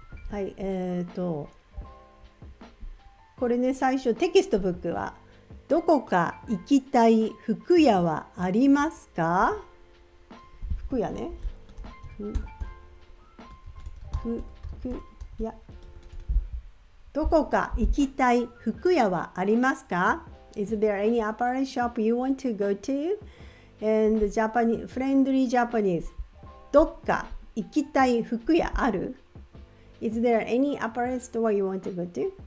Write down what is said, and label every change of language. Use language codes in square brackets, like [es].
[ja] はい、はい、これね、最初テキストブックはどこか行きたい服屋はありますか？服屋ね。服屋。どこか行きたい服屋はありますか? [en] Is there any apparel shop you want to go to? And Japanese, friendly Japanese. [ja] どっか行きたい服屋ある? [en] Is there any apparel store you want to go to?